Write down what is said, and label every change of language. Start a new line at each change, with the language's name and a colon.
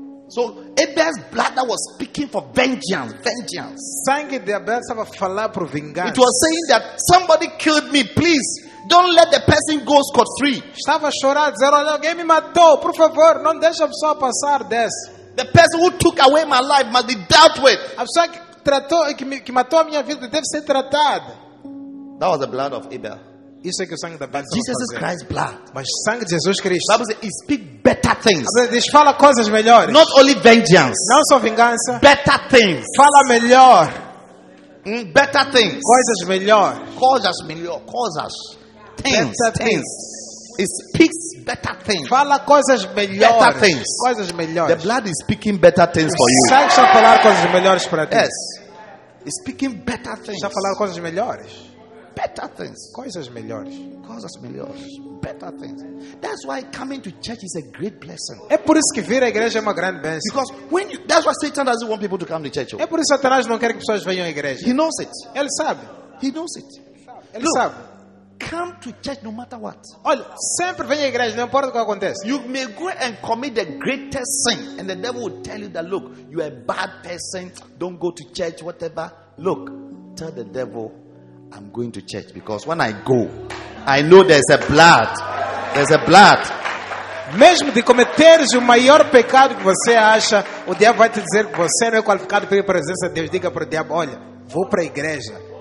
English: So Abel's blood that was speaking for vengeance, vengeance.
Portuguese: Sangue de Abel estava a falar por vingança.
English: It was saying that somebody killed me, please. Don't let the person go scot free.
Portuguese: Estava chorando, dizendo, olha, alguém me matou. Por favor, não deixe a pessoa passar dessa.
English: The person who took away my life must be dealt with.
Portuguese: A pessoa que tratou, que matou a minha vida deve ser tratada.
English: That was the blood of Abel.
Portuguese: Isso é que o sangue da Bíblia.
English: Jesus Christ's blood.
Portuguese: Mas o sangue de Jesus Cristo.
English: Bible says, he speak better things.
Portuguese: Ele fala coisas melhores.
English: Not only vengeance.
Portuguese: Não só vingança.
English: Better things.
Portuguese: Fala melhor.
English: Better things.
Portuguese: Coisas melhores. Coisas melhor. Coisas.
English: Things. It speaks better things.
Portuguese: Fala coisas melhores.
English: Better things.
Portuguese: Coisas melhores.
English: The blood is speaking better things for you.
Portuguese: O sangue está a falar coisas melhores para ti.
English: Yes. It's speaking better things.
Portuguese: Está a falar coisas melhores.
English: Better things.
Portuguese: Coisas melhores. Coisas melhores.
English: Better things. That's why coming to church is a great blessing.
Portuguese: É por isso que vir à igreja é uma grande bênção.
English: Because when you, that's why Satan doesn't want people to come to church.
Portuguese: É por isso que Satanás não quer que pessoas venham à igreja.
English: He knows it.
Portuguese: Ele sabe.
English: He knows it.
Portuguese: Ele sabe.
English: Come to church no matter what.
Portuguese: Olha, sempre venha à igreja, não importa o que aconteça.
English: You may go and commit the greatest sin, and the devil will tell you that, look, you are a bad person, don't go to church, whatever. Look, tell the devil, I'm going to church because when I go, I know there's a blood. There's a blood.
Portuguese: Mesmo de cometeres o maior pecado que você acha, o diabo vai te dizer que você não é qualificado para a presença de Deus. Diga para o diabo, olha, vou para a igreja.